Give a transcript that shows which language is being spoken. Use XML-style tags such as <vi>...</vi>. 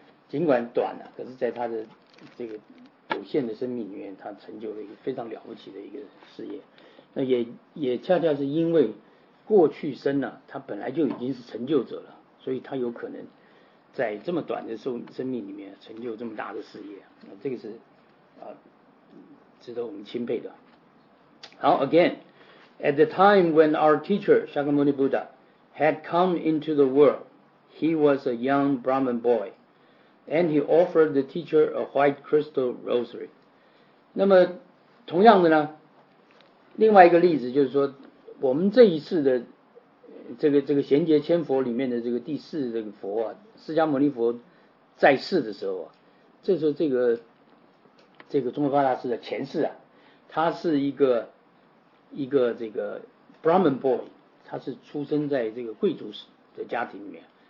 <zh>尽管短了、可是在他的这个有限的生命里面，他成就了一个非常了不起的一个事业。那也恰恰是因为过去生呢、他本来就已经是成就者了，所以他有可能在这么短的生命里面成就这么大的事业。那这个是值得我们钦佩的。</zh> <en>好 ，again， at the time when our teacher Shakyamuni Buddha had come into the world， he was a young Brahmin boy。 And he offered the teacher a white crystal rosary.</en> <zh>那么同样的呢，另外一个例子就是说，我们这一次的这个贤劫千佛里面的这个第四这个佛啊，释迦牟尼佛在世的时候啊，这时候这个中国发大师的前世啊，他是一个这个 Brahmin boy， 他是出生在这个贵族的家庭里面。</zh>